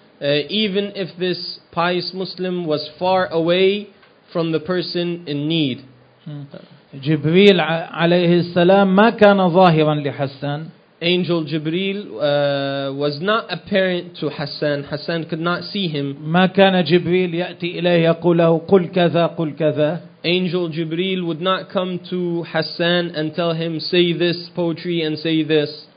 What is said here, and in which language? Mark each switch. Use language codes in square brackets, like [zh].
[en] Even if this pious Muslim was far away from the person in need. [ar] جبريل عليه السلام ما كان ظاهرا لحسان. [en] Angel Jibril was not apparent to Hassan. Hassan could not see him. [ar] ما كان جبريل يأتي إليه يقول له قل كذا قل كذا. [en] Angel Jibril would not come to Hassan and tell him say this poetry and say this.